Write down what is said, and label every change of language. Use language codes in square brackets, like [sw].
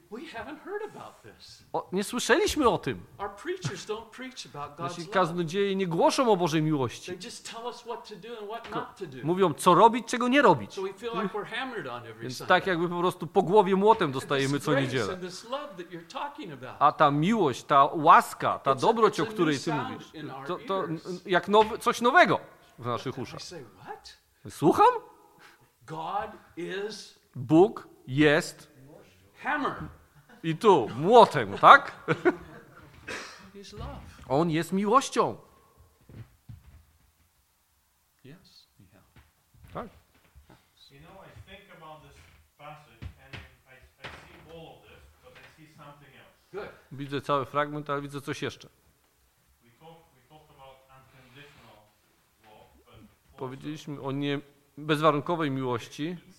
[en] We haven't heard about this. [pl] Nie słyszeliśmy o tym. [en] Our preachers don't preach about God's love. [pl] Nasi kaznodzieje nie głoszą o Bożej miłości. [en] They just tell us what to do and what not to do. [pl] Mówią, co robić, czego nie robić. [en] So we feel like we're hammered on every Sunday. [pl] Tak jakby po prostu po głowie młotem dostajemy co niedzielę. [en] And this love that you're talking about. [pl] A ta miłość, ta łaska, ta dobroć, o której ty mówisz, to jak coś nowego w naszych uszach. [en] We say, what? [pl] Słucham? [en] God is [pl] Bóg jest [en] hammer. [pl] I tu, młotem, tak? [en] He's love. [pl] On jest miłością. [en] Yes, yeah. [pl] Tak. [en] You know, I think about this passage and I see all of this, but I see something else. Good. [pl] Widzę cały fragment, ale widzę coś jeszcze. [en] We talked about unconditional love, but [pl] powiedzieliśmy o nie bezwarunkowej miłości.